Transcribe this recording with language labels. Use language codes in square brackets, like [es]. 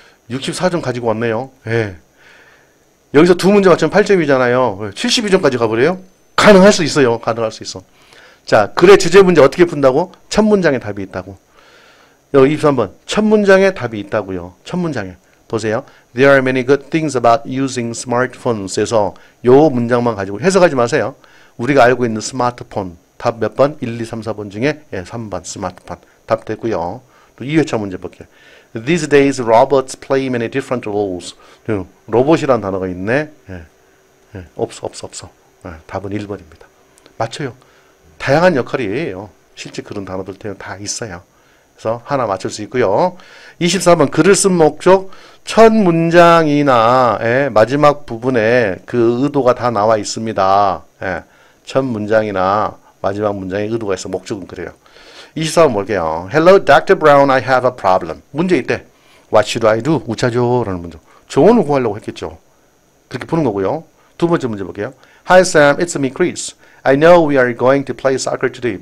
[ko] 64점 가지고 왔네요. 예. 여기서 두 문제 맞추면 8점이잖아요. 예, 72점까지 가버려요? 가능할 수 있어요. 가능할 수 있어. 자, 글의 주제 문제 어떻게 푼다고? 첫 문장에 답이 있다고. 여기 23번. 첫 문장에 답이 있다고요. 첫 문장에. 보세요. [en] There are many good things about using smartphones. [ko] 에서 요 문장만 가지고 해석하지 마세요. 우리가 알고 있는 스마트폰. 답 몇 번? 1, 2, 3, 4번 중에 예, 3번 스마트폰 답 됐고요. 또 2회차 문제 볼게요. [en] These days robots play many different roles. [ko] 예, 로봇이라는 단어가 있네. 예, 예, 없어 없어 없어. 예, 답은 1번입니다. 맞춰요. 다양한 역할이에요. 실제 그런 단어들 다 있어요. 그래서 하나 맞출 수 있고요. 24번 글을 쓴 목적 첫 문장이나 마지막 부분에 그 의도가 다 나와 있습니다. 첫 문장이나 마지막 문장에 의도가 있어. 목적은 그래요. 24번 볼게요. [en] Hello, Dr. Brown. I have a problem. [ko] 문제 이때 [en] What should I do? [ko] 우차죠? 라는 문제. 조언을 구하려고 했겠죠. 그렇게 푸는 거고요. 두 번째 문제 볼게요. [en] Hi, Sam. It's me, Chris. I know we are going to play soccer today.